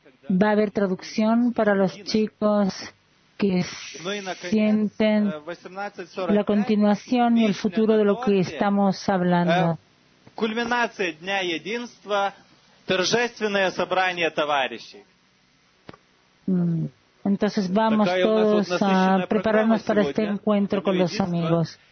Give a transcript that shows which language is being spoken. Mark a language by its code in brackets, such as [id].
[es] Va a haber traducción para los chicos que sienten la continuación y el futuro de lo que estamos hablando. [ru] Кульминация дня единства, торжественное собрание товарищей. [es] Entonces vamos todos a prepararnos para este encuentro con los amigos.